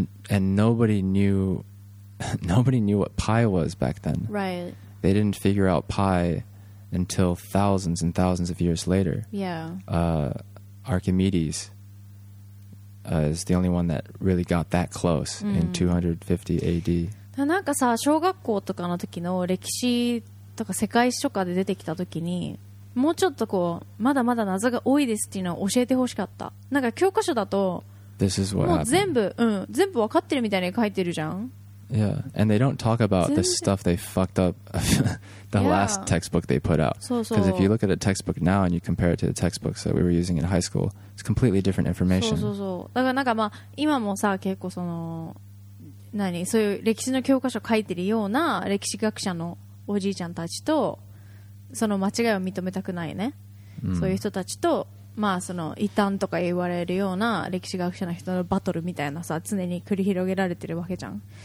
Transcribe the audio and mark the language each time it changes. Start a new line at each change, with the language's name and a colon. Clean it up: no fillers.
English: And nobody knew what pi was back then. Right. They didn't figure out pi until thousands and thousands of years later. Yeah. Archimedes is the only one that really got that close in 250 AD.
Japanese: なんかさ、小学校とかの時の歴史とか世界史とかで出てきた時に、もうちょっとこう、まだまだ謎が多いですっていうのを教えてほしかった。なんか教科書だと、
English: This is what happened.
Japanese: 全部、うん、全部分かってるみたいに書いてるじゃん。
English: Yeah, and they don't talk about the stuff they fucked up the last textbook they put out.
Japanese: そうそう。
English: Because if you look at a textbook now and you compare it to the textbooks that we were using in high school, it's completely different information.
Japanese: そうそうそう。だからなんかまあ、今もさ、結構その、何、そういう歴史の教科書書いてるような歴史学者のおじいちゃんたちと、その間違いを認めたくないね。そういう人たちと、まあその異端とか言われるような歴史学者の人のバトルみたいなさ常に繰り広げられてるわけじゃん。